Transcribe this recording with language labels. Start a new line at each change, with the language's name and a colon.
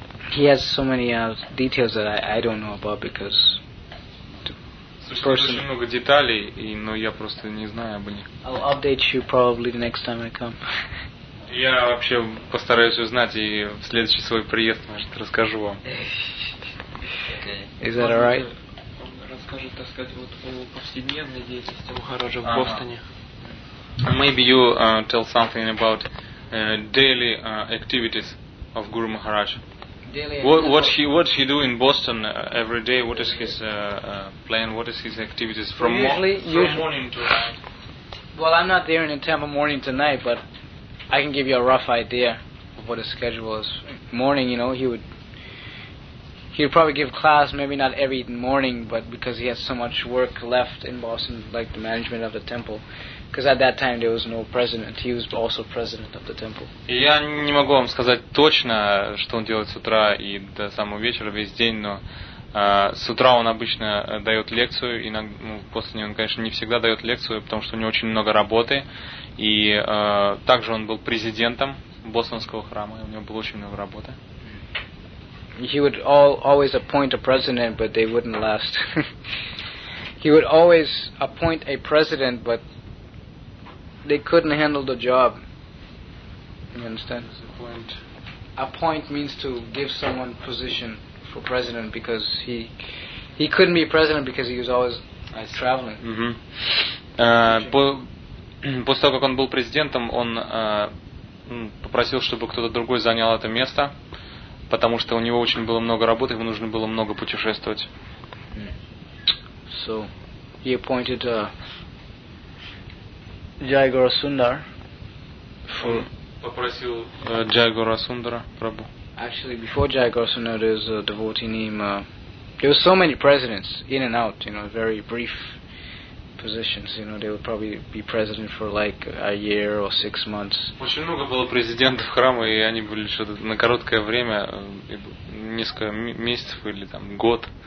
English: He has so many details that I don't know about because.
Russian: Очень много деталей, и но я просто не знаю об них.
English: I'll update you probably the next time I come.
Russian: Я вообще постараюсь узнать и в следующий свой приезд, может, расскажу вам.
English: Is that alright?
Russian: Расскажет, так сказать, вот о повседневной деятельности Махараджа в Бостоне.
English: Maybe you tell something about daily activities of Guru Maharaj. What he do in Boston every day? What is his plan? What is his activities from, usually, morning to night? Well, I'm not there in the Tampa morning to night, but I can give you a rough idea of what his schedule is. Morning, you know, he'd probably give class, maybe not every morning, but because he has so much work left in Boston, like the management of the temple. Because at that time there was no president, he was also president of the temple.
Russian: Я не могу вам сказать точно, что он делает с утра и до самого вечера весь день, но с утра он обычно дает лекцию, после него он, конечно, не всегда дает лекцию, потому что у него очень много работы, и также он был президентом Бостонского храма, и у него было очень много работы.
English: He would always appoint a president, but they wouldn't last. He would always appoint a president, but they couldn't handle the job. You understand? Appoint means to give someone position for president because he couldn't be president because he was always traveling. Mm-hmm.
Russian: После того, как он был президентом, он попросил, чтобы кто-то другой занял это место, потому что у него очень было много работы, ему нужно было много путешествовать.
English: So, he appointed Jai Gaurasundar.
Russian: Попросил Jai Gaurasundara, Прабу.
English: Actually, before Jai Gaurasundara, there was a devotee named. There were so many presidents in and out. You know, very brief positions. You know, they would probably be president for like a year or 6 months.
Russian: Очень много было президентов храма, и они были что-то на короткое время, несколько месяцев или там год.